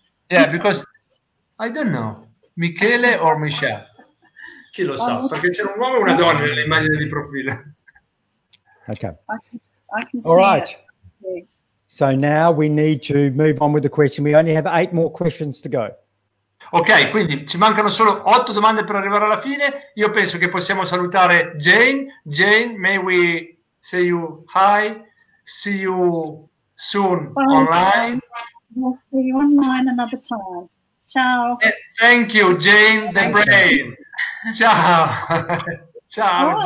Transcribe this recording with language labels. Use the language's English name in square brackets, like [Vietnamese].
[English] Yeah, because I don't know, Michele or Michelle. [Italian] Chi lo sa? Perché c'era un uomo e una donna nelle immagini di profilo. [English] Okay. I can all right. It. So now we need to move on with the question. We only have 8 more questions to go. [Italian] Ok, quindi ci mancano solo 8 domande per arrivare alla fine. Io penso che possiamo salutare Jane. [English] Jane, may we say you hi, see you soon online. We'll see you online another time. Ciao. Thank you, Jane the Brain. Ciao. Ciao,